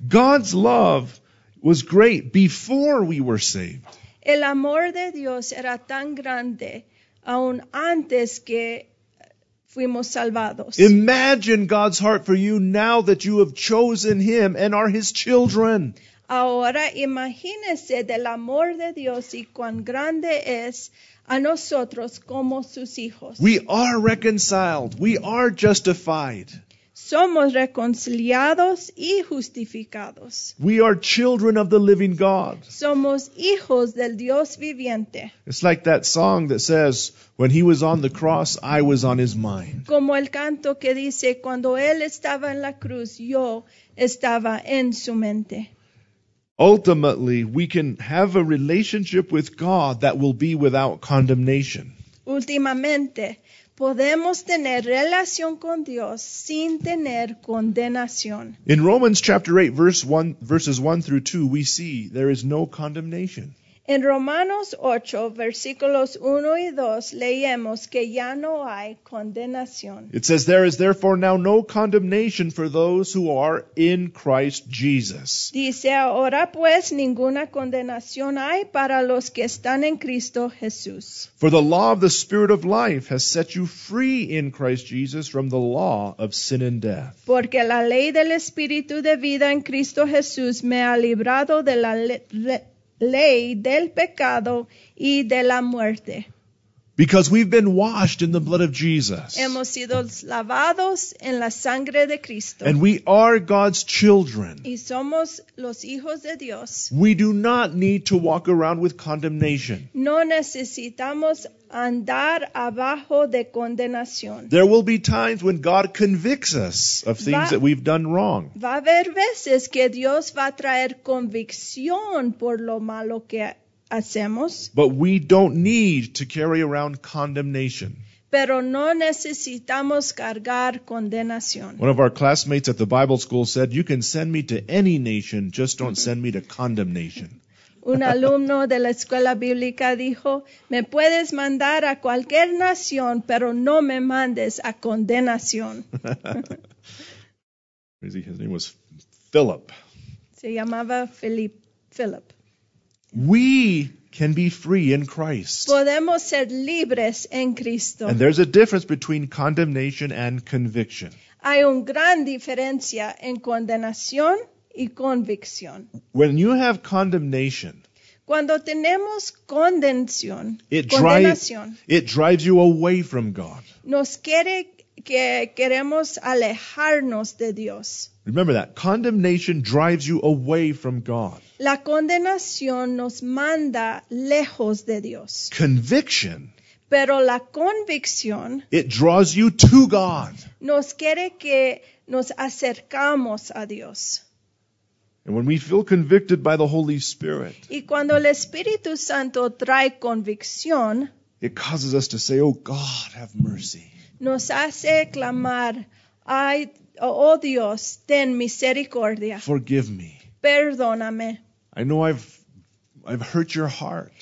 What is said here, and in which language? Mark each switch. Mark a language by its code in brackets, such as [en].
[en] God's love was great before we were saved. [es] El amor de Dios era tan grande aún antes que fuimos salvados. [en] Imagine God's heart for you now that you have chosen him and are his children. [es] Ahora imagínese del amor de Dios y cuán grande es a nosotros como sus hijos. [en] We are reconciled. We are justified. [es] Somos reconciliados y justificados. [en] We are children of the living God. [es] Somos hijos del Dios viviente. [en] It's like that song that says, when he was on the cross, I was on his mind. [es] Como el canto que dice, cuando él estaba en la cruz, yo estaba en su mente. [en] Ultimately, we can have a relationship with God that will be without condemnation. [es] Últimamente, podemos tener relación con Dios sin tener condenación. [en] In Romans chapter 8, verses 1 through 2, we see there is no condemnation. [es] En Romanos 8, versículos 1 y 2, leemos que ya no hay condenación. [en] It says, there is therefore now no condemnation for those who are in Christ Jesus. [es] Dice, ahora pues, ninguna condenación hay para los que están en Cristo Jesús. [en] For the law of the Spirit of life has set you free in Christ Jesus from the law of sin and death. [es] Porque la ley del Espíritu de vida en Cristo Jesús me ha librado de la ley del pecado y de la muerte. [en] Because we've been washed in the blood of Jesus. [es] Hemos sido lavados en la sangre de Cristo. [en] And we are God's children. [es] Y somos los hijos de Dios. [en] We do not need to walk around with condemnation. [es] No necesitamos andar abajo de condenación. [en] There will be times when God convicts us of things that we've done wrong. [es] Va a haber veces que Dios va a traer convicción por lo malo que hacemos. [en] But we don't need to carry around condemnation. [es] Pero no necesitamos cargar condenación. [en] One of our classmates at the Bible school said, you can send me to any nation, just don't send me to condemnation. [es] Un alumno de la escuela bíblica dijo, me puedes mandar a cualquier nación, pero no me mandes a condenación. [en] His name was Philip. [es] Se llamaba Philip. [en] We can be free in Christ. [es] Podemos ser libres en Cristo. [en] And there's a difference between condemnation and conviction. [es] Hay una gran diferencia en condenación y convicción. [en] When you have condemnation, [es] cuando tenemos condenación, [en] it drives you away from God. [es] Nos quiere que queremos alejarnos de Dios. [en] Remember that. Condemnation drives you away from God. [es] La condenación nos manda lejos de Dios. [en] Conviction. [es] Pero la convicción. [en] It draws you to God. [es] Nos quiere que nos acercamos a Dios. [en] And when we feel convicted by the Holy Spirit, [es] y cuando el Espíritu Santo trae convicción, [en] it causes us to say, oh God, have mercy. [es] Nos hace clamar, ay, oh Dios, ten misericordia. [en] Forgive me. [es] Perdóname. [en] I know I've hurt your heart.